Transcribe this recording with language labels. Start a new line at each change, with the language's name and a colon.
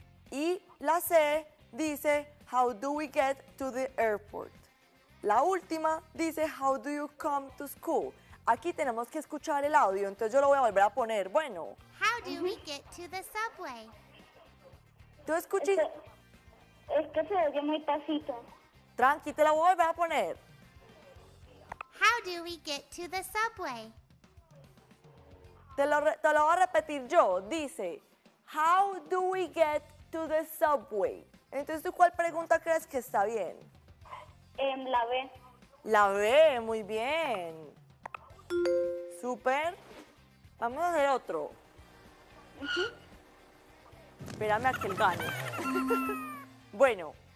Spanish: Y la C dice,
English: how do we get to the airport?
Spanish: La última dice,
English: how do you come to school?
Spanish: Aquí tenemos que escuchar el audio, entonces yo lo voy a volver a poner. Bueno.
English: How do we get to the subway?
Spanish: ¿Tú escuchas? Es que se oye muy pasito. Tranqui, te la voy a volver a poner.
English: How do we get to the subway?
Spanish: Te lo voy a repetir yo. Dice,
English: how do we get to the subway?
Spanish: Entonces, ¿tú cuál pregunta crees que está bien? La B. La B, muy bien. Super. Vamos a hacer otro. Espérame a que él gane. Bueno.